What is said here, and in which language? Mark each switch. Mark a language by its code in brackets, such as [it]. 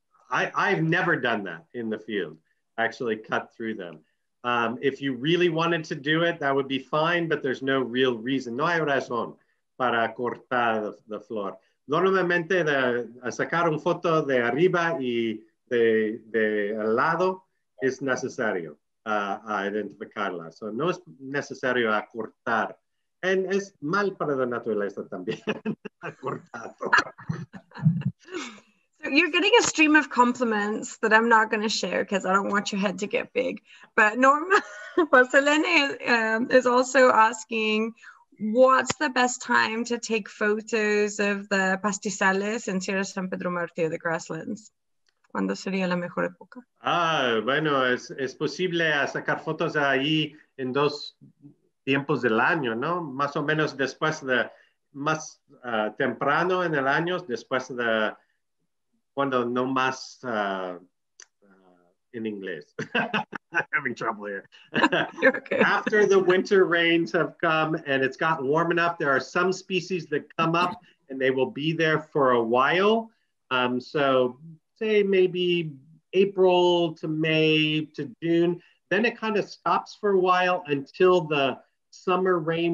[en] I've never done that in the field, actually cut through them. If you really wanted to do it, that would be fine, but there's no real reason. [es] No hay razón para cortar the flor. Normalmente, sacar un foto de arriba y de al lado es necesario. A identificarla. So no es necesario a cortar. And es mal para la naturaleza también. A cortar. [en] So you're getting a stream of compliments that I'm not going to share because I don't want your head to get big. But Norma, well, Selene is also asking, what's the best time to take photos of the pastizales in Sierra San Pedro Martí, the grasslands? [es] ¿Cuándo sería la mejor época? Ah, bueno, es posible sacar fotos ahí en dos tiempos del año, ¿no? Más o menos después de, más temprano en el año, después de, cuando no más, en inglés. [en] Having trouble here. You're okay. After the winter rains have come and it's got warm enough, there are some species that come up and they will be there for a while. So say maybe April to May to June, then it kind of stops for a while until the summer rain.